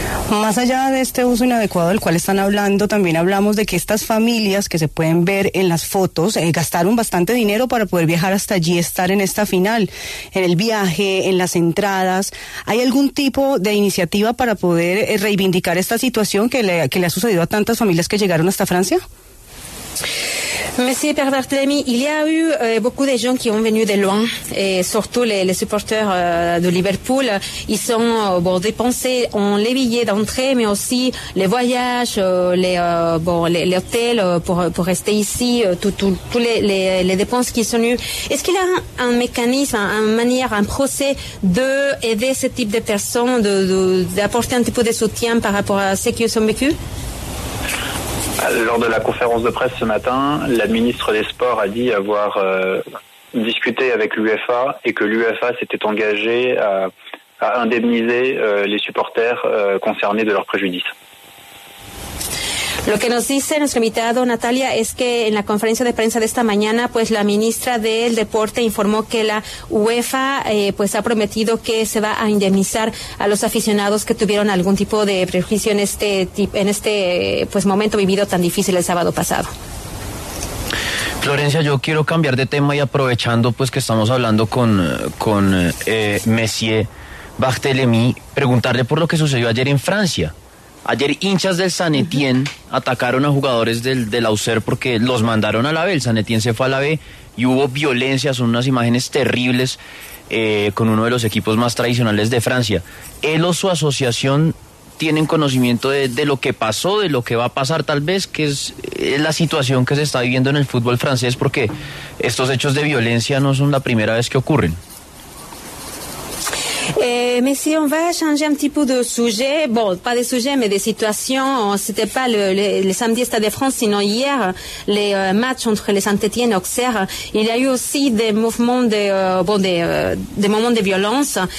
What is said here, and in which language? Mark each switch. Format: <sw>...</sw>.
<es>más allá de este uso inadecuado del cual están hablando, también hablamos de que estas familias que se pueden ver en las fotos gastaron bastante dinero para poder viajar hasta allí, estar en esta final, en el viaje, en las entradas. ¿Hay algún tipo de iniciativa para poder reivindicar esta situación que le ha sucedido a tantas familias que llegaron hasta Francia?</es> <fr>Merci Père Barthélemy. Il y a eu beaucoup de gens qui ont venu de loin et surtout les supporters de Liverpool. Ils sont bon, dépensés en les billets d'entrée, mais aussi les voyages, les hôtels pour rester ici, toutes les dépenses qui sont eues. Est-ce qu'il y a un mécanisme, une manière, un procès d'aider ce type de personnes, d'apporter un petit peu de soutien par rapport à ce qu'ils ont vécu? Lors de la conférence de presse ce matin, la ministre des Sports a dit avoir discuté avec l'UEFA et que l'UEFA s'était engagée à indemniser les supporters concernés de leurs préjudices.</fr> <es>Lo que nos dice nuestro invitado, Natalia, es que en la conferencia de prensa de esta mañana, pues la ministra del Deporte informó que la UEFA pues ha prometido que se va a indemnizar a los aficionados que tuvieron algún tipo de prejuicio en este momento vivido tan difícil el sábado pasado. Florencia, yo quiero cambiar de tema y aprovechando pues que estamos hablando con Monsieur Barthélemy, preguntarle por lo que sucedió ayer en Francia. Ayer hinchas del Saint-Étienne atacaron a jugadores del Auxerre porque los mandaron a la B, el Saint-Étienne se fue a la B y hubo violencia, son unas imágenes terribles con uno de los equipos más tradicionales de Francia. ¿Él o su asociación tienen conocimiento de lo que pasó, de lo que va a pasar tal vez, que es la situación que se está viviendo en el fútbol francés porque estos hechos de violencia no son la primera vez que ocurren?</es> <fr>Mais si on va changer un petit peu de sujet, bon, pas de sujet, mais des situations, c'était pas le samedi Stade de France, sinon hier, les matchs entre les Saint-Étienne et Auxerre, il y a eu aussi des mouvements des moments de violence.</fr>